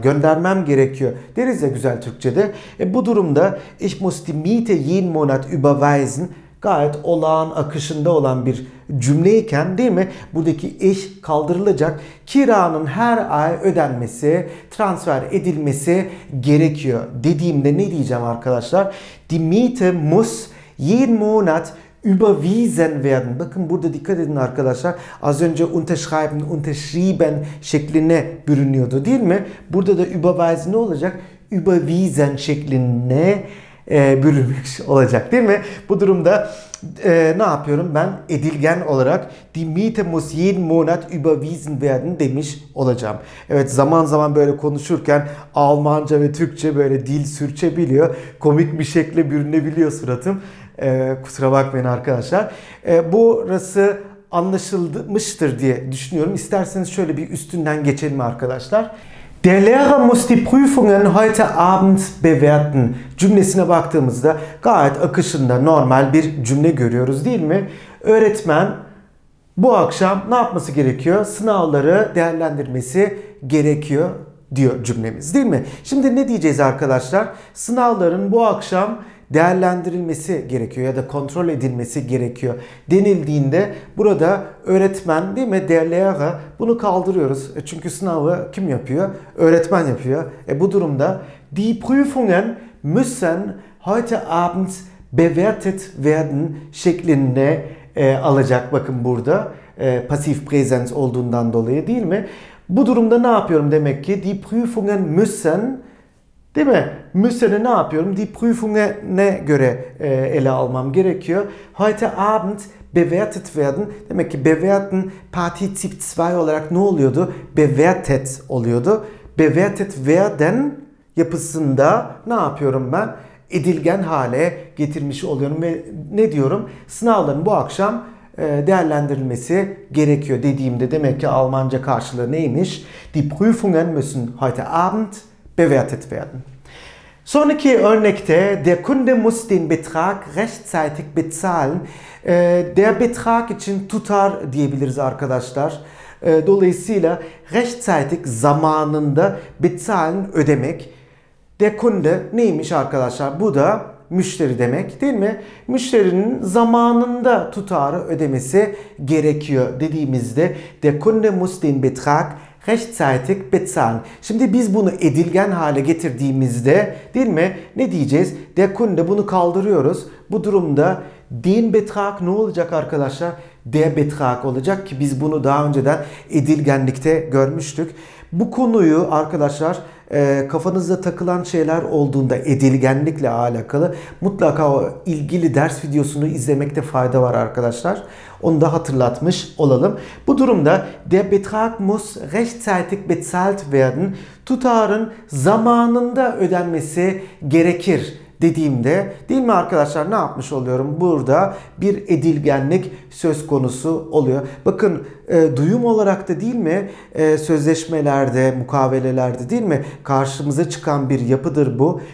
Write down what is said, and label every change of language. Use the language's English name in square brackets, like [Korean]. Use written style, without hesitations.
[Turkish] Göndermem gerekiyor deriz ya güzel Türkçe'de. Bu durumda [German] ich muss die Miete jeden Monat überweisen, [Turkish] gayet olağan akışında olan bir cümleyken değil mi? Buradaki ich kaldırılacak. Kiranın her ay ödenmesi, transfer edilmesi gerekiyor dediğimde ne diyeceğim arkadaşlar? [German] Die Miete muss jeden Monat überwiesen werden. [Turkish] Bakın burada dikkat edin arkadaşlar. Az önce unterschreiben, unterschrieben şekline bürünüyordu değil mi? Burada da überweisen ne olacak? Überwiesen şekline bürünmüş olacak değil mi? Bu durumda ne yapıyorum ben? Edilgen olarak [German] die Miete muss jeden Monat überwiesen werden [Turkish] demiş olacağım. Evet, zaman zaman böyle konuşurken Almanca ve Türkçe böyle dil sürçebiliyor. Komik bir şekle bürünebiliyor suratım. Kusura bakmayın arkadaşlar. Burası anlaşılmıştır diye düşünüyorum. İsterseniz şöyle bir üstünden geçelim arkadaşlar. [German] Der Lehrer muss die Prüfungen heute Abend bewerten. [Turkish] Cümlesine baktığımızda gayet akışında normal bir cümle görüyoruz değil mi? Öğretmen bu akşam ne yapması gerekiyor? Sınavları değerlendirmesi gerekiyor diyor cümlemiz değil mi? Şimdi ne diyeceğiz arkadaşlar? Sınavların bu akşam değerlendirilmesi gerekiyor ya da kontrol edilmesi gerekiyor denildiğinde burada öğretmen değil mi, der Lehrer, bunu kaldırıyoruz. Çünkü sınavı kim yapıyor? Öğretmen yapıyor. Bu durumda [German] die Prüfungen müssen heute Abend bewertet werden [Turkish] şeklinde alacak. Bakın burada pasif präsens olduğundan dolayı değil mi? Bu durumda ne yapıyorum demek ki? [German] Die Prüfungen müssen, [Turkish] değil mi? Müsse'ne ne yapıyorum? Die Prüfungen'e göre ele almam gerekiyor. [German] Heute Abend bewertet werden. [Turkish] Demek ki bewerten Partizip 2 olarak ne oluyordu? Bewertet oluyordu. [German] Bewertet werden [Turkish] yapısında ne yapıyorum ben? Edilgen hale getirmiş oluyorum. Ve ne diyorum? Sınavların bu akşam değerlendirilmesi gerekiyor dediğimde demek ki Almanca karşılığı neymiş? [German] Die Prüfungen müssen heute Abend bewertet werden. [Turkish] Sonraki örnekte [German] der Kunde muss den Betrag rechtzeitig bezahlen. [Turkish] Der Betrag için tutar diyebiliriz arkadaşlar. Dolayısıyla rechtzeitig zamanında bezahlen ödemek. Der Kunde neymiş arkadaşlar? Bu da müşteri demek değil mi? Müşterinin zamanında tutarı ödemesi gerekiyor dediğimizde [German] der Kunde muss den Betrag rechtzeitig bezahlen. [Turkish] Şimdi biz bunu edilgen hale getirdiğimizde değil mi? Ne diyeceğiz? Der Kunde, bunu kaldırıyoruz. Bu durumda den Betrag ne olacak arkadaşlar? Der Betrag olacak ki biz bunu daha önceden edilgenlikte görmüştük. Bu konuyu arkadaşlar kafanızda takılan şeyler olduğunda edilgenlikle alakalı mutlaka o ilgili ders videosunu izlemekte fayda var arkadaşlar. Onu da hatırlatmış olalım. Bu durumda [German] der Betrag muss rechtzeitig bezahlt werden. [Turkish] Tutarın zamanında ödenmesi gerekir dediğimde değil mi arkadaşlar, ne yapmış oluyorum? Burada bir edilgenlik söz konusu oluyor. Bakın duyum olarak da değil mi, sözleşmelerde, mukavelelerde değil mi karşımıza çıkan bir yapıdır bu.